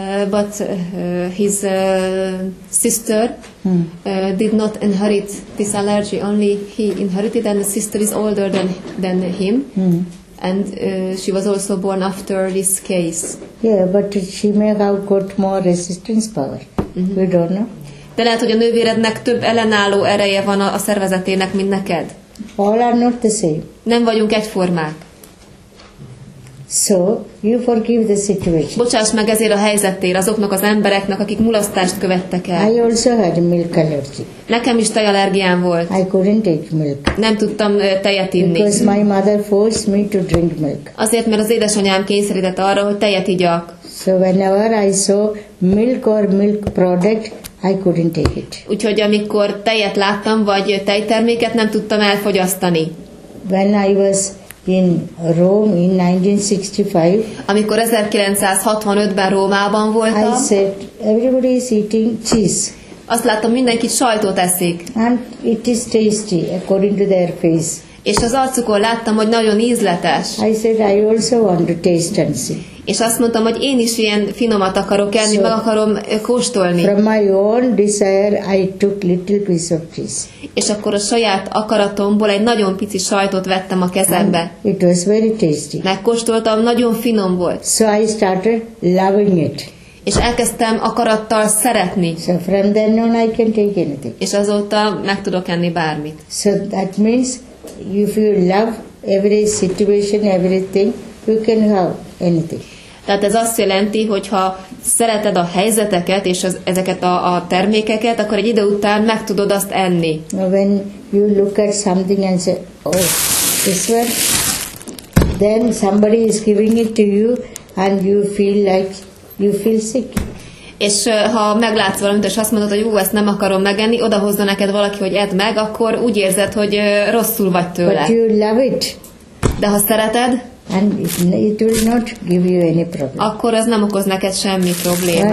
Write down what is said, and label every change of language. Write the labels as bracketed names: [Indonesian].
[English] But his sister did not inherit this allergy, only he inherited, and the sister is older than him. And she was also born after this case. Yeah, but she may have got more resistance power. We don't know. [Hungarian] De lehet, hogy a nővérednek több ellenálló ereje van a szervezetének, mint neked. [English] All are not the same. [Hungarian] Nem vagyunk egyformák. [English] So, you forgive the situation. [Hungarian] Bocsáss meg ezért a helyzetért azoknak az embereknek, akik mulasztást követtek el. [English] I also had milk allergy. [Hungarian] Nekem is tejallergiám volt. [English] I couldn't take milk. [Hungarian] Nem tudtam tejet inni. [English] Because my mother forced me to drink milk. [Hungarian] Azért, mert az édesanyám kényszerített arra, hogy tejet igyak. [English] So whenever I saw milk or milk product, I couldn't take it. [Hungarian] Úgyhogy amikor tejet láttam, vagy tejterméket, nem tudtam elfogyasztani. [English] When I was in Rome in 1965. [Hungarian] Amikor 1965-ben Rómában voltam. [English] I said, everybody is eating cheese. [Hungarian] Azt láttam, mindenki sajtot eszik. [English] And it is tasty according to their face. [Hungarian] És az arcukon láttam, hogy nagyon ízletes. [English] I said I also want to taste and see. [Hungarian] És azt mondtam, hogy én is ilyen finomat akarok enni, meg akarom kóstolni. [English] From my own desire, I took little piece of cheese. [Hungarian] És akkor a saját akaratomból egy nagyon pici sajtot vettem a kezembe. [English] And it was very tasty. [Hungarian] Megkóstoltam, nagyon finom volt. [English] So I started loving it. [Hungarian] És elkezdtem akarattal szeretni. [English] So from then on I can take anything. És azóta meg tudok enni bármit. So that means if you love every situation, everything, you can have. Anything. [Hungarian] Tehát ez azt jelenti, hogyha szereted a helyzeteket és az, ezeket a termékeket, akkor egy idő után meg tudod azt enni. [English] When you look at something and say, oh, this one, then somebody is giving it to you and you feel like you feel sick. [Hungarian] És ha meglátsz valamit, és azt mondod, hogy jó, ezt nem akarom megenni, odahozza neked valaki, hogy edd meg, akkor úgy érzed, hogy rosszul vagy tőle. [English] But you love it. [Hungarian] De ha szereted, [English] and it will not give you any problem. [Hungarian] Akkor az nem okoz neked semmi problémát.